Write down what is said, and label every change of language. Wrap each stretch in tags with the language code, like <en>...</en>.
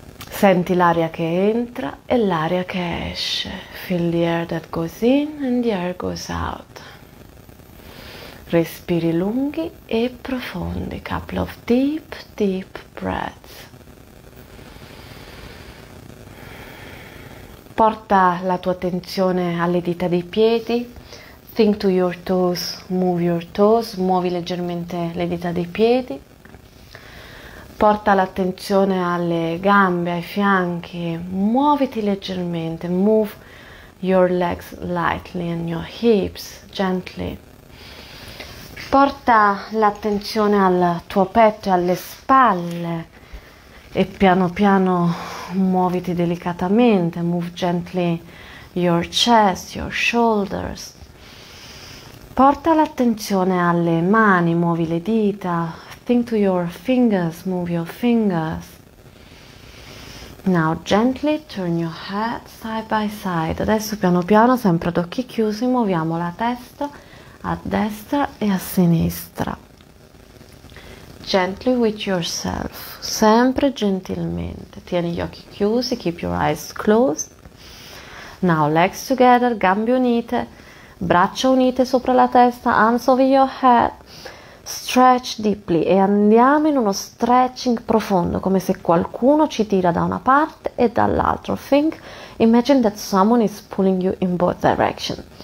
<it>Senti l'aria che entra e l'aria che esce.</it> <en>Feel the air that goes in and the air goes out.</en> <it>Respiri lunghi e profondi,</it> <en>couple of deep, deep breaths.</en> <it>Porta la tua attenzione alle dita dei piedi,</it> <en>think to your toes,</en> <it>move your toes, muovi leggermente le dita dei piedi. Porta l'attenzione alle gambe, ai fianchi, muoviti leggermente,</it> <en>move your legs lightly and your hips gently.</en> <it>Porta l'attenzione al tuo petto e alle spalle. E piano piano muoviti delicatamente,</it> <en>move gently your chest, your shoulders.</en> <it>Porta l'attenzione alle mani, muovi le dita,</it> <en>think to your fingers,</en> <it>move your fingers.</it> <en>Now gently turn your head side by side.</en> <it>Adesso piano piano, sempre ad occhi chiusi, muoviamo la testa a destra e a sinistra.</it> <en>Gently with yourself,</en> <it>sempre gentilmente. Tieni gli occhi chiusi,</it> <en>keep your eyes closed. Now legs together,</en> <it>gambe unite, braccia unite sopra la testa,</it> <en>hands over your head. Stretch deeply</en> <it>e andiamo in uno stretching profondo, come se qualcuno ci tira da una parte e dall'altra.</it> <en>Imagine that someone is pulling you in both directions.</en>